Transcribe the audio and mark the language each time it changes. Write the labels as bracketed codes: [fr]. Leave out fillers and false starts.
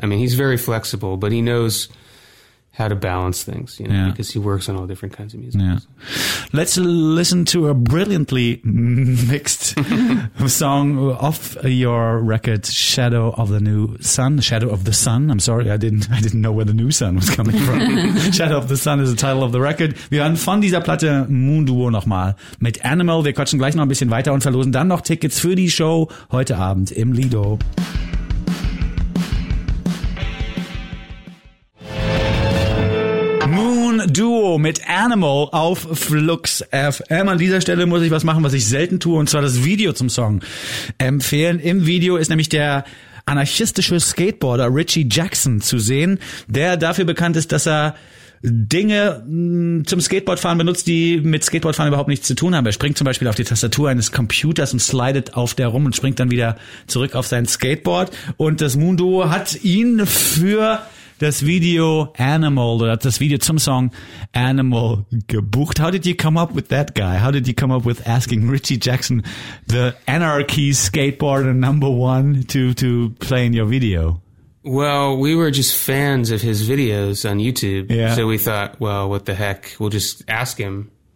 [en] I mean, he's very flexible, but he knows how to balance things, you know, because he works on all different kinds of music. Yeah. Let's listen to a brilliantly mixed song off your record, Shadow of the New Sun. Shadow of the Sun. I'm sorry, I didn't know where the new sun was coming from. Shadow of the Sun is the title of the record. [de] Wir hören von dieser Platte Moon Duo nochmal mit Animal. Wir quatschen gleich noch ein bisschen weiter und verlosen dann noch Tickets für die Show heute Abend im Lido. Duo mit Animal auf Flux FM. An dieser Stelle muss ich was machen, was ich selten tue, und zwar das Video zum Song empfehlen. Im Video ist nämlich der anarchistische Skateboarder Richie Jackson zu sehen, der dafür bekannt ist, dass er Dinge zum Skateboardfahren benutzt, die mit Skateboardfahren überhaupt nichts zu tun haben. Er springt zum Beispiel auf die Tastatur eines Computers und slidet auf der rum und springt dann wieder zurück auf sein Skateboard. Und das Moon Duo hat ihn für das Video Animal, oder das Video zum Song Animal gebucht. [en] How did you come up with that guy? How did you come up with asking Richie Jackson, the anarchy skateboarder number one, to play in your video? Well, we were just fans of his videos on YouTube. Yeah. So we thought, well, what the heck? We'll just ask him.